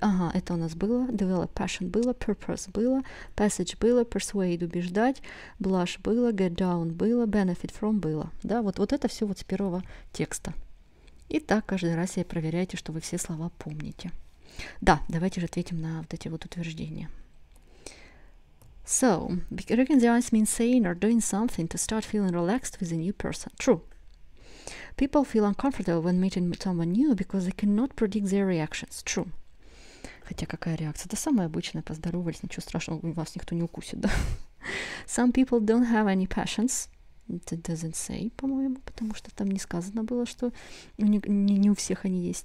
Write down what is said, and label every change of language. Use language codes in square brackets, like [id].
[ru] Ага, это у нас было. [en] Develop passion [ru] было, purpose было, passage было, persuade убеждать, blush было, get down было, benefit from было. Да, вот это все вот с первого текста. И так каждый раз и проверяйте, что вы все слова помните. Да, давайте же ответим на вот эти вот утверждения. [en] So, breaking the ice means saying or doing something to start feeling relaxed with a new person. True. People feel uncomfortable when meeting someone new because they cannot predict their reactions. True. [ru] Хотя какая реакция? Это самое обычное, поздоровались, ничего страшного, вас никто не укусит, да? [en] Some people don't have any passions. It doesn't say, [ru] по-моему, потому что там не сказано было, что не у всех они есть.